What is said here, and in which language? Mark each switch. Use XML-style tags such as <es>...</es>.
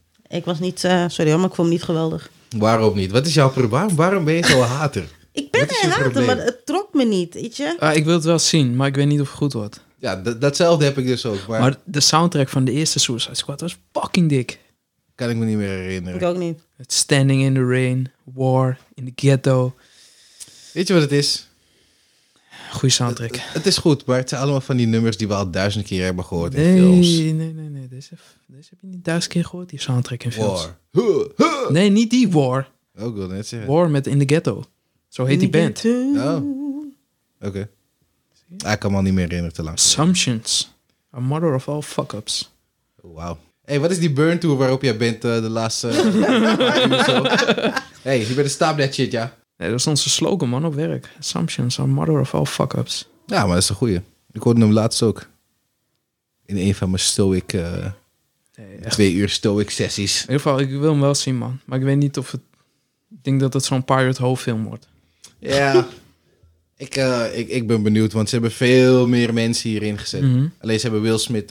<nl>Ik was niet, maar ik vond hem niet geweldig. Waarom niet? Wat is jouw probleem? Waarom ben je zo'n hater? Ik ben geen hater, probleem? Maar het trok me niet, weet je? Ik wil het wel zien, maar ik weet niet of het goed wordt. Ja, datzelfde heb ik dus ook. Maar de soundtrack van de eerste Suicide Squad was fucking dik. Kan ik me niet meer herinneren. Ik ook niet.</nl> <en>Standing in the rain, war, in the ghetto.</en> <nl>Weet je wat het is? Goeie soundtrack. Het is goed, maar het zijn allemaal van die nummers die we al 1000 keer hebben gehoord in films. Nee. Deze heb je niet 1000 keer gehoord, die soundtrack in films. War. Huh. Nee, niet die War. Oh, ik wil net zeggen. War met In the Ghetto. Zo heet die band. Oh. Oké. Ja. Ik kan me al niet meer herinneren te lang.</nl> <en>Assumptions. A mother of all fuck-ups.</en> <nl>Wauw. Hey, wat is die burn tour waarop jij bent de laatste...</nl> <en>Hey, you better stop that shit, ja.</en> <nl>Nee, dat is onze slogan, man, op werk.</nl> <en>Assumptions are mother of all fuck-ups.</en> <nl>Ja, maar dat is een goeie. Ik hoorde hem laatst ook. In een van mijn stoic... twee uur stoic sessies. In ieder geval, ik wil hem wel zien, man. Maar ik weet niet of het... Ik denk dat het zo'n Pirate Ho film wordt. Ja. ik ben benieuwd, want ze hebben veel meer mensen hierin gezet. Mm-hmm. Alleen ze hebben Will Smith...</nl>